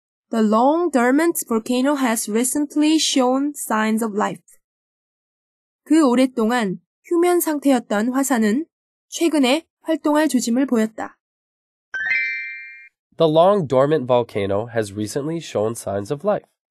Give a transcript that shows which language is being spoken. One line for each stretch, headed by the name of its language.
English: The long dormant volcano has recently shown signs of life.
Korean: 그 오랫동안 휴면 상태였던 화산은 최근에 활동할 조짐을 보였다.
English: The long dormant volcano has recently shown signs of life.